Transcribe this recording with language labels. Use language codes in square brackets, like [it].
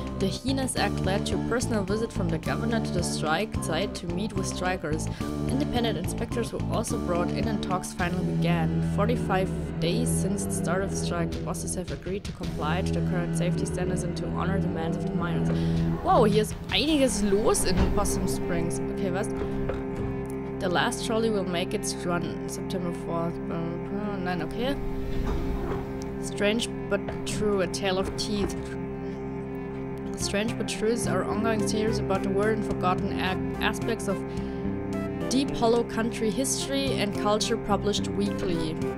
[en] The heinous act led to a personal visit from the governor to the strike site to meet with strikers. Independent inspectors were also brought in and talks finally began. 45 days since the start of the strike, the bosses have agreed to comply to the current safety standards and to honor the demands of the miners. [de] Wow, hier ist einiges los in Possum Springs. Okay, was? [en] The last trolley will make its run September 4th. [de] Nein, okay. [en] Strange but true, a tale of teeth. Strange but true is our ongoing series about the weird and forgotten aspects of deep hollow country history and culture published weekly.